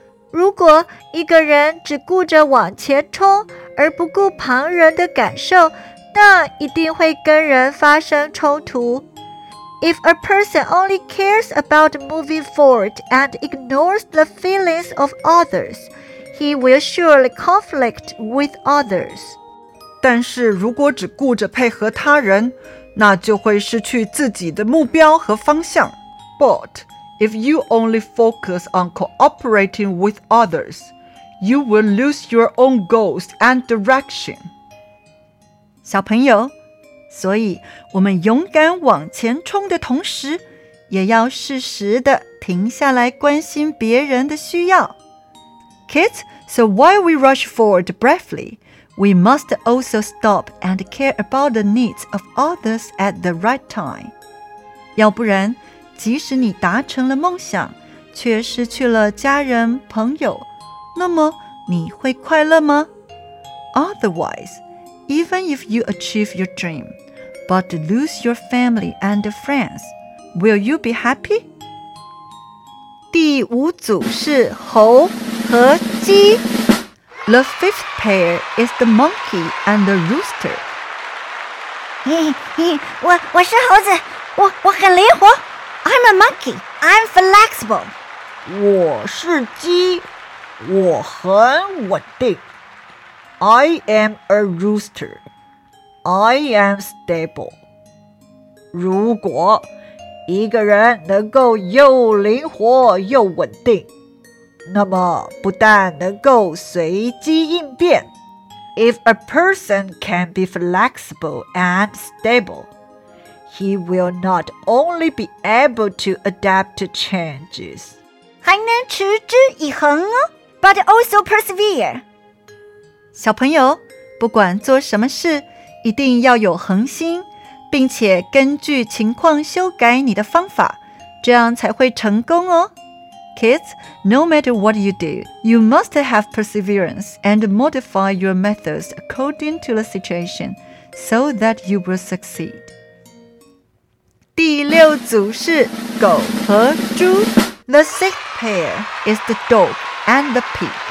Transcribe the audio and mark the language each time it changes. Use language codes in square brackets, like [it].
[zh] 如果一个人只顾着往前冲，而不顾旁人的感受，那一定会跟人发生冲突。 [en] If a person only cares about moving forward and ignores the feelings of others, he will surely conflict with others. [zh] 但是如果只顾着配合他人，那就会失去自己的目标和方向。 [en] But if you only focus on cooperating with others, you will lose your own goals and direction. [zh] 小朋友，所以我们勇敢往前冲的同时，也要适时地停下来关心别人的需要。 [en] Kids, so while we rush forward bravely, we must also stop and care about the needs of others at the right time. [zh] 要不然，即使你达成了梦想，却失去了家人、朋友，那么你会快乐吗？ [en] Otherwise,Even if you achieve your dream, but lose your family and friends, will you be happy? [zh] 第五组是猴和鸡。 [en] The fifth pair is the monkey and the rooster. [zh] 我是猴子，我很灵活。 [en] I'm a monkey. I'm flexible. [zh] 我是鸡，我很稳定。 [en] I am a rooster. I am stable. [zh] 如果一个人能够又灵活又稳定，那么不但能够随机应变。 [en] If a person can be flexible and stable, he will not only be able to adapt to changes, [zh] 还能持之以恒哦， [en] but also persevere. [zh] 小朋友，不管做什么事，一定要有恒心，并且根据情况修改你的方法，这样才会成功哦。 [en] Kids, no matter what you do, you must have perseverance and modify your methods according to the situation so that you will succeed. [zh] 第六组是狗和猪。 [en] The sixth pair is the dog and the pig.